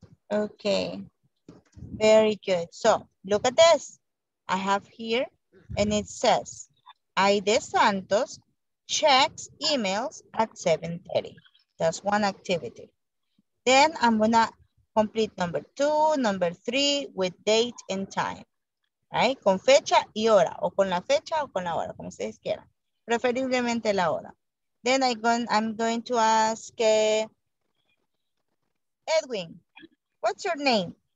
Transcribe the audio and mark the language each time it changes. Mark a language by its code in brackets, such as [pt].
[en] Okay. Very good. So look at this. I have here, and it says, Aide Santos checks emails at 7:30. That's one activity. Then I'm gonna complete number two, number three, with date and time. Right? [es] Con fecha y hora, o con la fecha o con la hora, como ustedes quieran. Preferiblemente la hora. [en] Then I'm going to ask Edwin, what's your name?